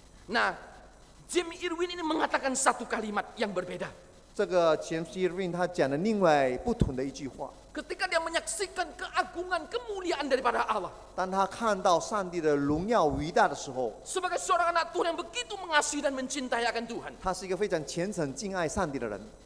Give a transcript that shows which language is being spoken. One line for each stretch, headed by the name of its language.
Indonesian: Nah, Jim Irwin ini mengatakan satu kalimat yang berbeda.
Chinese: 这个 James Irwin 他讲了另外不同的一句话。
Indonesian: Ketika dia menyaksikan keagungan kemuliaan daripada Allah.
Chinese: 当他看到上帝的荣耀伟大的时候。
Indonesian: Sebagai seorang anak Tuhan yang begitu mengasihi dan mencintai akan Tuhan.
Chinese: 他是一个非常虔诚敬爱上帝的人。